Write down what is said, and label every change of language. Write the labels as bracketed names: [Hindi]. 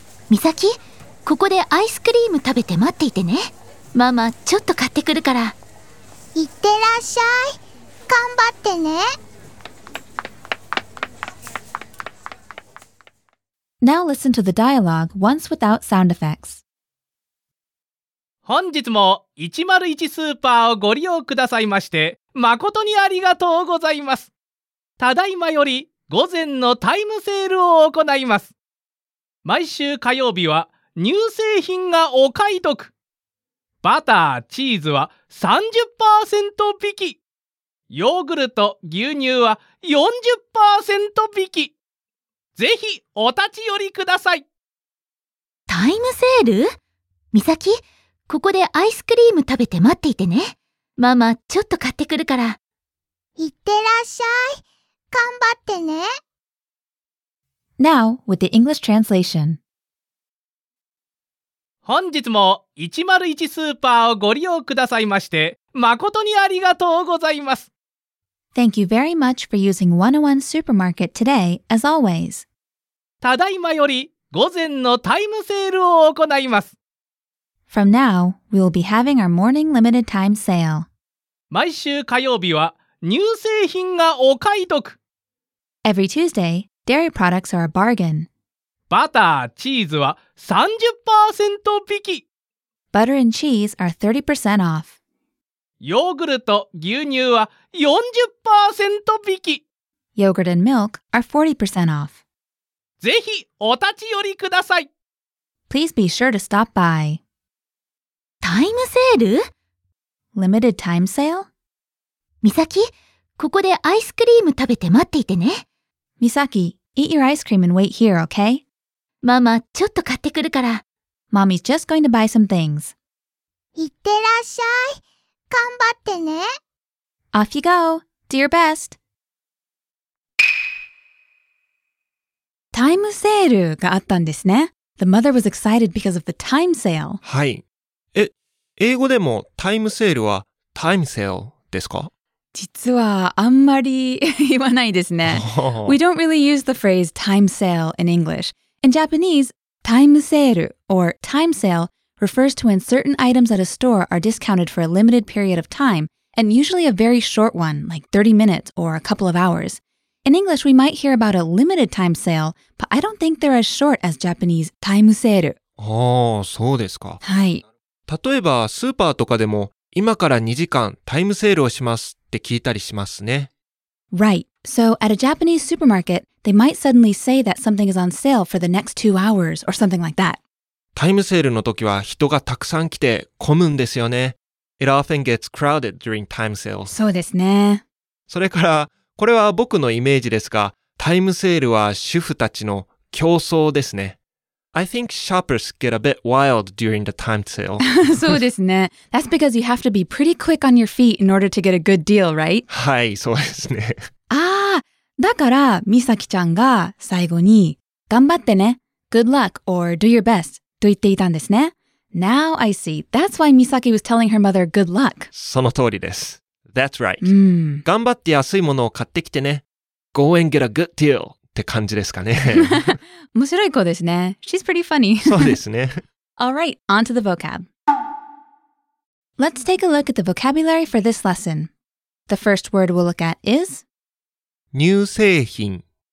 [Japanese] みさき、ここでアイスクリーム食べて待っていてね。ママちょっと買ってくるから。いってらっしゃい、頑張ってね。 [English] Now listen to the dialogue once without sound effects. [Japanese] 本日も101スーパーをご利用くださいまして誠にありがとうございます。ただいまより午前のタイムセールを行います。毎週火曜日は乳製品がお買い得。バター、チーズは 30% 引き。ヨーグルト、牛乳は 40% 引き。ぜひお立ち寄りください。タイムセール? みさき、ここでアイスクリーム食べて待っていてね。ママちょっと買ってくるから。いってらっしゃい。頑張ってね。 [English] Now, with the English translation. [Japanese] 本日も101スーパーをご利用くださいまして、誠にありがとうございます。 [English] Thank you very much for using 101 Supermarket today, as always. [Japanese] ただいまより午前のタイムセールを行います。 [English] From now, we will be having our morning limited time sale. [Japanese] 毎週火曜日は乳製品がお買い得。 [English] Every Tuesday,Dairy products are a bargain. Butter, cheese [Japanese] は 30% 引き。 [English] Butter and cheese are 30% off. [Japanese] Yogurt, 牛乳は 40% 引き。 [English] Yogurt and milk are 40% off. [Japanese] ぜひお立ち寄りください。 [English] Please be sure to stop by. Time sale? Limited time sale? [Japanese] Misaki, ここでアイスクリーム食べて待っていてね。 [English] Misaki, eat your ice cream and wait here, okay? [Japanese] ママ、ちょっと買ってくるから。 [English] Mommy's just going to buy some things. [Japanese] いってらっしゃい。頑張ってね。 [English] Off you go. Do your best. [Japanese] タイムセールがあったんですね。 [English] The mother was excited because of the time sale. [Japanese] はい。英語でもタイムセールはタイムセールですか? 実はあんまり言わないですね。 [English] We don't really use the phrase time sale in English. In Japanese, time sale or time sale refers to when certain items at a store are discounted for a limited period of time, and usually a very short one, like 30 minutes or a couple of hours. In English, we might hear about a limited time sale, but I don't think they're as short as Japanese time sale. [Japanese] ああ、そうですか。はい。例えばスーパーとかでも今から2時間タイムセールをしますって聞いたりしますね。 [English] Right. So at a Japanese supermarket, they might suddenly say that something is on sale for the next 2 hours or something like that. [Japanese] タイムセールの時は人がたくさん来て混むんですよね。 [English] It often gets crowded during time sales. [Japanese] そうですね。それから、これは僕のイメージですが、タイムセールは主婦たちの競争ですね。 [English] I think shoppers get a bit wild during the time sale. [Japanese] そうですね。 [English] That's because you have to be pretty quick on your feet in order to get a good deal, right? [Japanese] はい、そうですね。ああ、だから、みさきちゃんが最後に、頑張ってね。 [English] Good luck or do your best [Japanese] と言っていたんですね。 [English] Now I see. That's why Misaki was telling her mother good luck. [Japanese] その通りです。 [English] That's right.、 Mm. [Japanese] 頑張って安いものを買ってきてね。 [English] Go and get a good deal [Japanese] って感じですかね。面白い子ですね。 [English] She's pretty funny. [Japanese] そうですね。 [English] Alright, on to the vocab. Let's take a look at the vocabulary for this lesson. The first word we'll look at is [Japanese] 乳製品